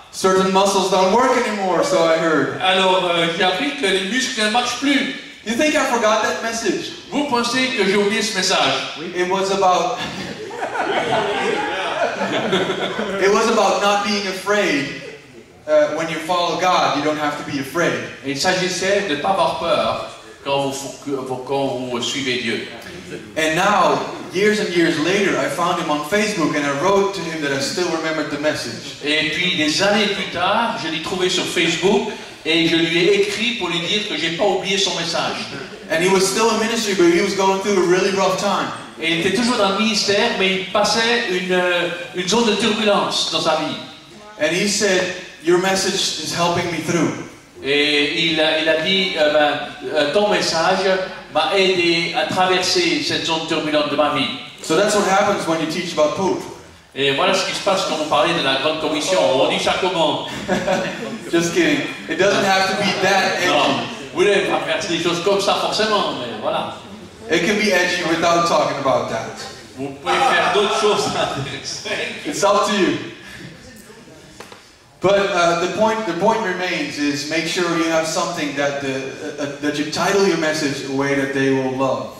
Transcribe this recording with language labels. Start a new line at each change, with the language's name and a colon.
English: Certain muscles don't work anymore, so I heard.
French: Alors j'ai appris que les muscles ne marchent plus.
English: You think I forgot that message?
French: Vous pensez que j'ai oublié ce message?
English: It was about. It was about not being afraid. When you follow God, you don't have to be afraid.
French: Il s'agissait de pas avoir peur quand vous suivez Dieu.
English: And now, years and years later, I found him on Facebook, and I wrote to him that I still remembered the message.
French: Et puis des années plus tard, je l'ai trouvé sur Facebook et je lui ai écrit pour lui dire que j'ai pas oublié son message.
English: And he was still in ministry, but he was going through a really rough time.
French: Et il était toujours dans le ministère, mais il passait une zone de turbulence dans sa vie.
English: And he said, "Your message is helping me through."
French: Et il a dit, ton message m'a aidé à traverser cette zone turbulente de ma vie.
English: So that's what happens when you teach about poop.
French: Et voilà ce qui se passe quand on parlait de la grande commission. On dit ça comment?
English: Just kidding. It doesn't have to be that edgy.
French: Non, vous devez pas faire des choses comme ça forcément, mais voilà.
English: It can be edgy without talking about that.
French: Vous pouvez faire d'autres choses.
English: It's up to you. But the point remains is make sure you have something that that you title your message a way that they will love.